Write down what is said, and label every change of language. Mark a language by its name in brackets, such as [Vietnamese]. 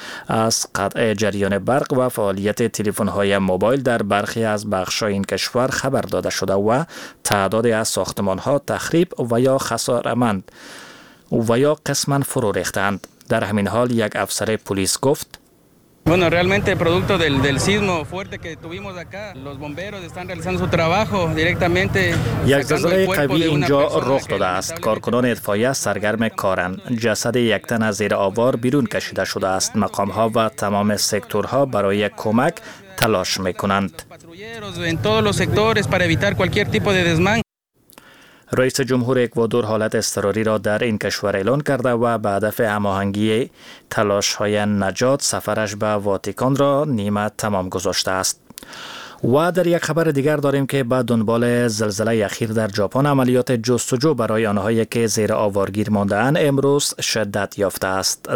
[Persian] از قطع جریان برق و فعالیت تلفن‌های موبایل در برخی از بخش‌های این کشور خبر داده شده و تعدادی از ساختمان‌ها تخریب و یا خسارمند و یا قسمان فرو ریختند. در همین حال یک افسر پلیس گفت: [Spanish] Bueno, realmente producto del sismo fuerte que tuvimos acá, los bomberos están realizando su trabajo directamente. [Persian] یک زلزله قوی اینجا رخ داده است. کارکنان اطفائیه سرگرم کارند. جسد یک تن از زیر آوار بیرون کشیده شده است. مقام ها و تمام سکتورها برای کمک تلاش میکنند. [Spanish] En todos los sectores para evitar cualquier tipo de desmán. [Persian] رئیس جمهور اکوادور حالت اضطراری را در این کشور اعلان کرده و به هدف هماهنگی تلاش های نجات سفرش به واتیکان را نیمه تمام گذاشته است. و در یک خبر دیگر داریم که به دنبال زلزله اخیر در ژاپن عملیات جستجو برای آنهایی که زیر آوارگیر مانده اند امروز شدت یافته است.